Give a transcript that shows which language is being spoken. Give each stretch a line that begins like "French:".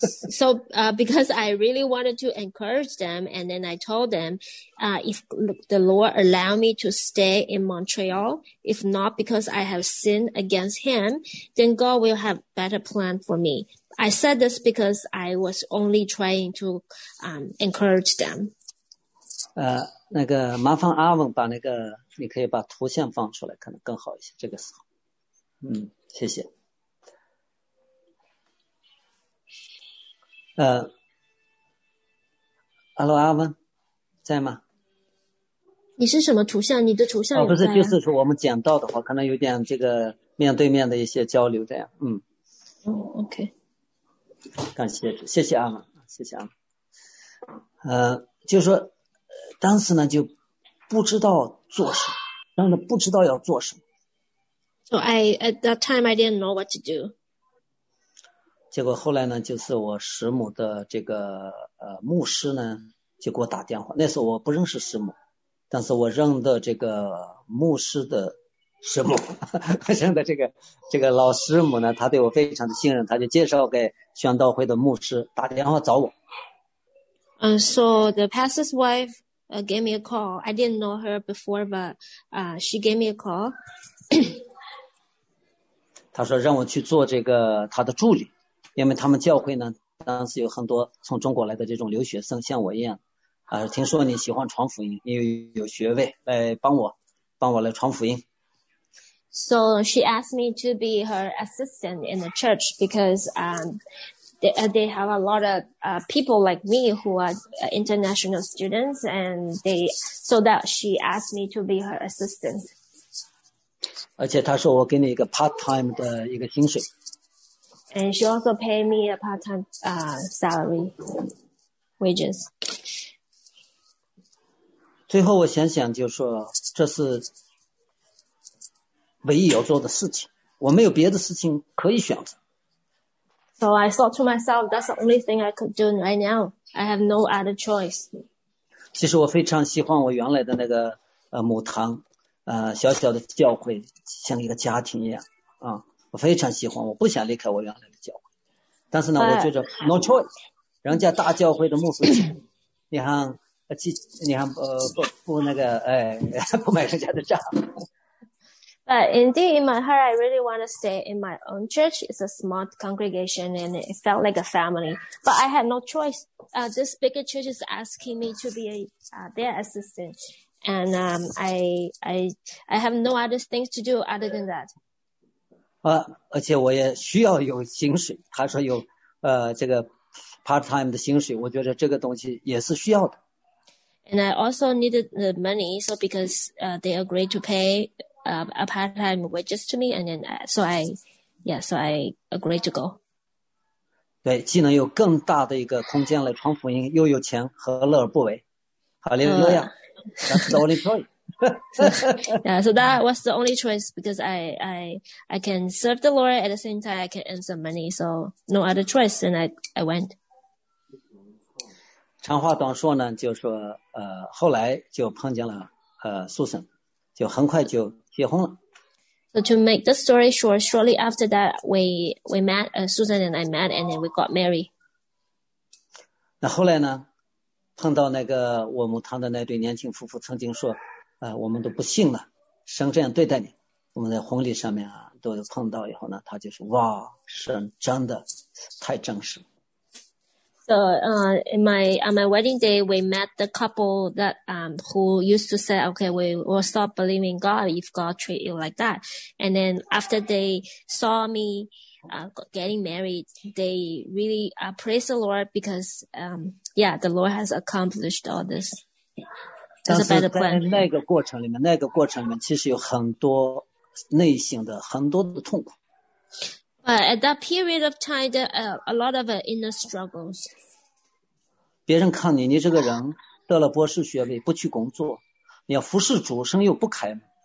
English: So, because I really wanted to encourage them, and then I told them, if the Lord allow me to stay in Montreal, if not because I have sinned against Him, then God will have better plan for me. I said this because I was only trying to, encourage them.
Chinese: 那个麻烦阿文把那个，你可以把图像放出来，可能更好一些。这个时候，嗯，谢谢。 Hello， 阿文，在吗？你是什么图像？你的图像有在、啊？哦，不是，就是说我们讲到的话，可能有点这个面对面的一些交流这样。嗯。哦 ，OK。感谢，谢谢阿文，谢谢阿文。就是说。当时呢就不知道做什么，当时不知道要做什么。
English: So at that time I didn't know what to do.
Chinese: 结果后来呢，就是我师母的这个牧师呢，就给我打电话。那时候我不认识师母，但是我认得这个牧师的师母，认得这个老师母呢，他对我非常的信任，他就介绍给宣道会的牧师打电话找我。
English: So the pastor's wife gave me a call. I didn't know her before, but she gave me a call.
Chinese: 她说让我去做这个她的助理，因为他们教会呢，当时有很多从中国来的这种留学生，像我一样，听说你喜欢传福音，你有学位，来帮我来传福音。
English: So she asked me to be her assistant in the church because They have a lot of people like me who are international students, and she asked me to be her assistant.
Chinese: 而且她说我给你一个 part time 的一个薪水。
English: And she also paid me a part time salary wages.
Chinese: 最后我想想，就是说这是唯一要做的事情，我没有别的事情可以选择。
English: So I thought to myself, that's the only thing I could do right now. I have no other choice.
Chinese: 其实我非常喜欢我原来的那个母堂，小小的教会，像一个家庭一样啊。我非常喜欢，我不想离开我原来的教会。但是呢，我觉得
English: no choice.
Chinese: 人家大教会的牧师，不买人家的账。
English: But indeed, in my heart, I really want to stay in my own church. It's a small congregation, and it felt like a family. But I had no choice. This bigger church is asking me to be their assistant, and I have no other things to do other than that.
Chinese: 而且我也需要有薪水。他说有这个 part time 的薪水，我觉得这个东西也是需要的。
English: And I also needed the money, so because they agreed to pay. A part-time wages to me, and then so I agreed to go.
Chinese: 对，既能有更大的一个空间来传福音，又有钱，何乐而不为？哈利路亚 ！
English: That's the only choice. Yeah, so that was the only choice because I can serve the Lord at the same time I can earn some money. So no other choice, and I went.
Chinese: 长话短说呢，就是说后来就碰见了Susan，就很快就结婚了。
English: So to make the story short, shortly after that, we met, Susan and I met, and then we got married.
Chinese: 那后来呢，碰到那个我们堂的那对年轻夫妇曾经说，我们都不信了，神这样对待你。我们在婚礼上面啊，都碰到以后呢，他就说，哇，神真的太真实。
English: So, on my wedding day, we met the couple that, who used to say, okay, we will stop believing God if God treat you like that. And then after they saw me, getting married, they really, praise the Lord because, yeah, the Lord has accomplished all this. That's a better plan.
Chinese: 当时在那个过程里面其实有很多内心的很多的痛苦。
English: But at that period of time, there are a lot of inner struggles.
Chinese: 别人看你，你这个人得了博士学位不去工作，你要服侍主，神又不开门。